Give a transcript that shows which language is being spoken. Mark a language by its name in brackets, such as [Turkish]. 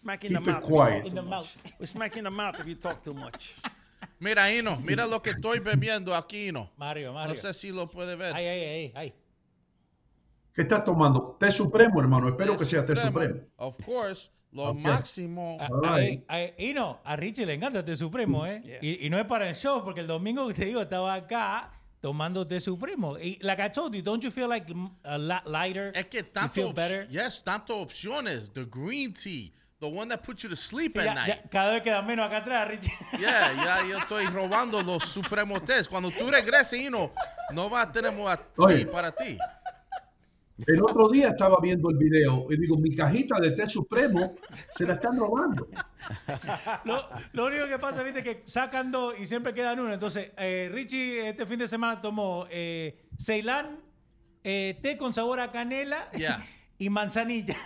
[English] We're smacking the mouth if you talk too much. [Spanish] Mira, Hino, mira lo que estoy bebiendo aquí, Hino. Mario. No sé si lo puede ver. Ay. ¿Qué estás tomando? Té supremo, hermano. Espero que sea té supremo. [English] Of course. Lo okay. Máximo. [Spanish] Hino, a Richie le encanta Té Supremo, ¿eh? Yeah. Y no es para el show, porque el domingo que te digo estaba acá tomando Té Supremo. [English] Y, like I told you, don't you feel like a lot lighter? [Spanish] Es que tanto, [English] you feel better? [Spanish] Yes, tanto opciones. [English] The green tea, the one that puts you to sleep at night. [Spanish] Cada vez queda menos acá atrás, Richie. Yeah, ya yo estoy robando los Supremo Tés. Cuando tú regreses, Hino, no va a tener más tea para ti. El otro día estaba viendo el video y digo, mi cajita de Té Supremo se la están robando. Lo único que pasa, viste, que sacan dos y siempre quedan uno. Entonces, Richie este fin de semana tomó Ceilán, té con sabor a canela y manzanilla.